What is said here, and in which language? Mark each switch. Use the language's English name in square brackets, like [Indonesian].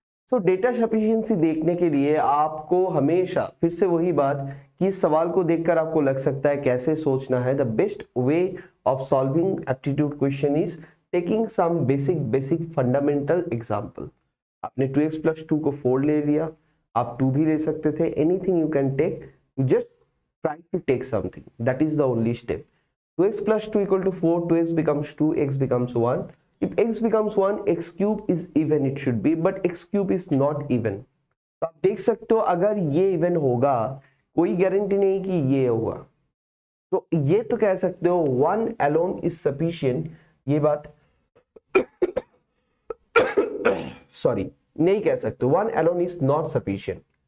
[Hindi] सो data sufficiency देखने के लिए आपको हमेशा, फिर से वही बात कि इस सवाल को देखकर आपको लग सकता है कैसे सोचना है. [English] The best way of solving aptitude question is taking some basic fundamental example. [Hindi] आपने 2x plus 2 को 4 ले लिया, आप 2 भी ले सकते थे, [English] Anything you can take, you just try to take something, that is the only step. 2x plus 2 equal to 4, 2x becomes 2, x becomes 1. If x becomes 1, x cube is even, it should be, but x cube is not even. [Hindi] तो आप देख सकते हो अगर ये even होगा, कोई guarantee नहीं कि ये होगा. तो ये तो कह सकते हो [English] 1 alone is sufficient, [Hindi] ये बात sorry नहीं कह सकते, [English] 1 alone is not sufficient.